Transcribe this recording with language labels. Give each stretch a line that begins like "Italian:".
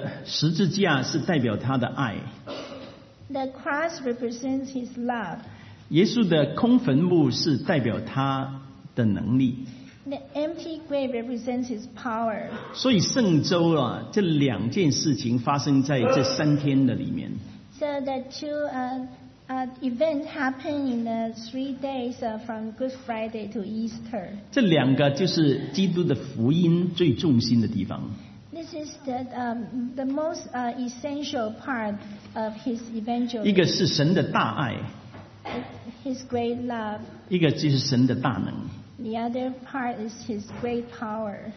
Chinese: 耶稣的十字架是代表他的爱。
English: The cross represents his love.
Chinese: 耶稣的空坟墓是代表他的能力。
English: The empty grave represents his power.
Chinese: 所以圣周啊, 这两件事情发生在这三天的里面。
English: So the two events happen in the 3 days from Good Friday to Easter.
Chinese: 这两个就是基督的福音最重心的地方。
English: This is the most essential part of his evangelism.
Chinese: 一个是神的大爱。
English: His great love.
Chinese: 一个就是神的大能。
English: The other part is his great power.